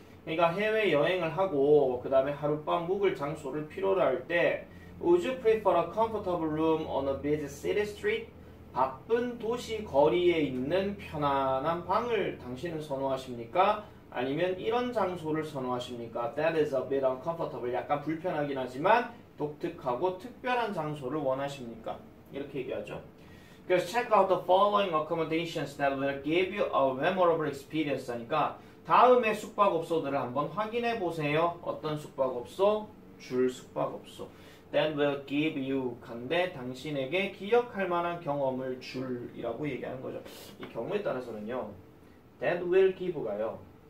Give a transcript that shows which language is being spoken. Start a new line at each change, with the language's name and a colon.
Korean: 그러니까 해외여행을 하고 그 다음에 하룻밤 묵을 장소를 필요로 할 때
English: Would you prefer a comfortable room on a busy city street?
Korean: 바쁜 도시 거리에 있는 편안한 방을 당신은 선호하십니까? 아니면 이런 장소를 선호하십니까?
English: That is a bit uncomfortable.
Korean: 약간 불편하긴 하지만 독특하고 특별한 장소를 원하십니까? 이렇게 얘기하죠.
English: Because check out the following accommodations that will give you a memorable experience.
Korean: 하니까 다음에 숙박업소들을 한번 확인해 보세요. 어떤 숙박업소? 줄 숙박업소.
English: That will give you.
Korean: 근데 당신에게 기억할 만한 경험을 줄이라고 얘기하는 거죠. 이 경우에 따라서는요.
English: That will give
Korean: 가요.